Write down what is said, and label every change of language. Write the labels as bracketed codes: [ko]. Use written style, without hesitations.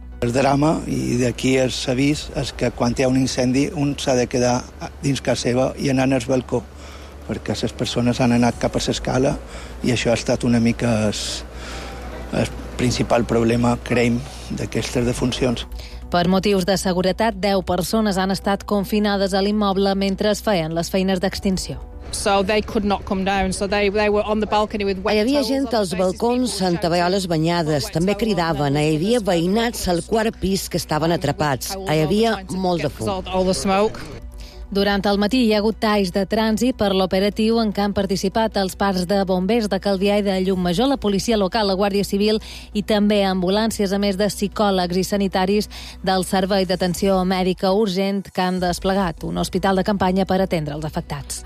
[ca] El drama, i d'aquí s'ha vist, és que quan hi ha un incendi, un s'ha de quedar dins casa seva i anant al balcó, perquè les persones han anat cap a l'escala, i això ha estat una mica el principal problema, creiem, d'aquestes defuncions. Per motius de seguretat, 10 persones han estat confinades a l'immoble mentre es feien les feines d'extinció. [en] So they could not come down. So they were on the balcony with wet. [ca] Hi havia gent als balcons amb tovalloles banyades, també cridaven. Hi havia veïnats al quart pis que estaven atrapats. Hi havia molt de fum. Durant el matí hi ha hagut talls de trànsit per l'operatiu en què han participat els parcs de bombers de Calvià i de Llucmajor, la policia local, la Guàrdia Civil i també ambulàncies, a més de psicòlegs i sanitaris del Servei d'Atenció Mèdica Urgent, que han desplegat un hospital de campanya per atendre els afectats.